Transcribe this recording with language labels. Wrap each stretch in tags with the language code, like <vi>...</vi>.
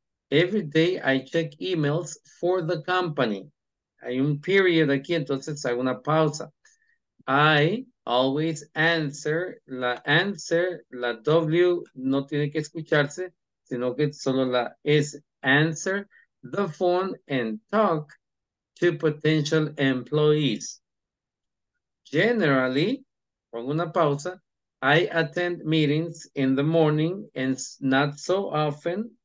<en>Every day I check emails for the company.</en> <es>Hay un period aquí, entonces hago una pausa.</es> <en>I always answer,</en> <es>la W no tiene que escucharse, sino que solo la</es> <en>is answer the phone and talk to potential employees. Generally,</en> <es>con una pausa,</es> <en>I attend meetings in the morning and not so often.</en>